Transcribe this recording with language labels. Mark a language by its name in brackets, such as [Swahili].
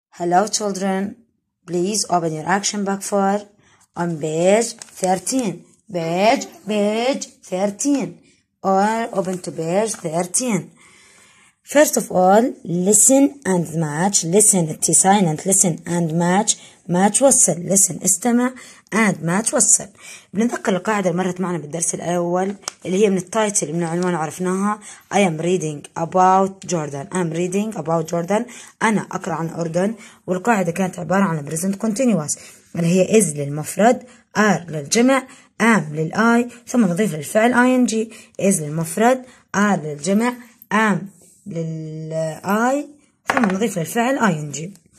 [English] Hello children, please open your action book for on page 13. Page 13. Or open to page 13. First of all, listen and match. Listen, T silent, listen and match. Match وصل. Listen, استمع and match وصل. [Arabic] بنذكر القاعدة اللي مرت معنا بالدرس الأول اللي هي من التايتل من عنوان عرفناها. [English] I am reading about Jordan. I am reading about Jordan. [Arabic] أنا أقرأ عن أردن. والقاعدة كانت عبارة عن present continuous اللي هي is للمفرد, are للجمع, am للآي, ثم نضيف للفعل ing. is للمفرد, are للجمع, am للآي, ثم نضيف للفعل ing.